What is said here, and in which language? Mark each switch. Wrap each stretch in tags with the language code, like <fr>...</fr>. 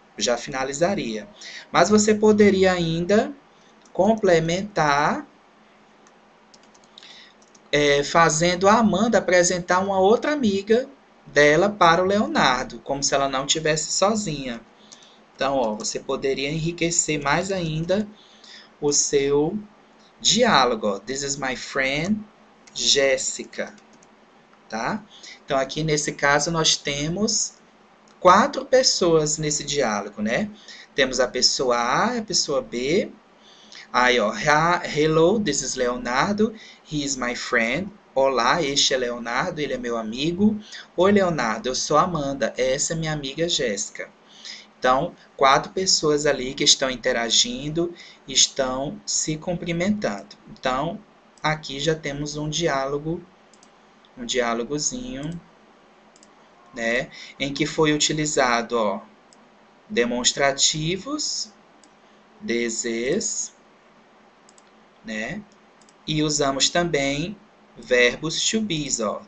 <pt>Já finalizaria. Mas você poderia ainda complementar fazendo a Amanda apresentar uma outra amiga dela para o Leonardo, como se ela não tivesse sozinha. Então, ó, você poderia enriquecer mais ainda o seu diálogo, ó.</pt> <en>This is my friend, Jessica.</en> <pt>Tá? Então, aqui nesse caso, nós temos quatro pessoas nesse diálogo, né? Temos a pessoa A, a pessoa B.</pt> <en>Aí, ó, hello, this is Leonardo, he is my friend.</en> <pt>Olá, este é Leonardo, ele é meu amigo. Oi, Leonardo, eu sou Amanda, essa é minha amiga Jéssica. Então, quatro pessoas ali que estão interagindo, estão se cumprimentando. Então, aqui já temos um diálogo, um diálogozinho, né, em que foi utilizado, ó, demonstrativos, this is, né, e usamos também verbos to be, ó.</pt>